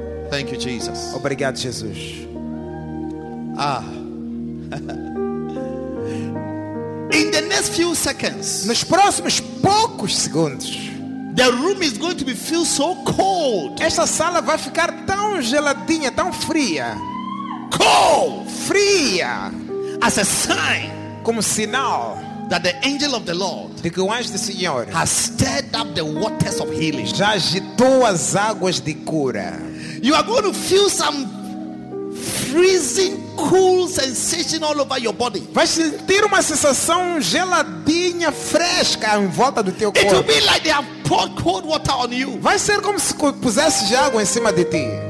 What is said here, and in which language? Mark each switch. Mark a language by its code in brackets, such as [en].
[en] Thank you, Jesus. [pt] Obrigado, Jesus. [en] Ah. In the next few seconds. [pt] Nos próximos poucos segundos. [en] The room is going to be feel so cold. [pt] Essa sala vai ficar tão geladinha, tão fria. [en] Cold, [pt] fria. [en] As a sign, [pt] como sinal, [en] that the angel of the Lord, [pt] de que o anjo do Senhor, [en] has stirred up the waters of healing. [pt] Já agitou as águas de cura. [en] You are going to feel some freezing cool sensation all over your body. [pt] Vai sentir uma sensação geladinha fresca em volta do teu corpo. [en] It will be like they have poured cold water on you. [pt] Vai ser como se pusesse água em cima de ti.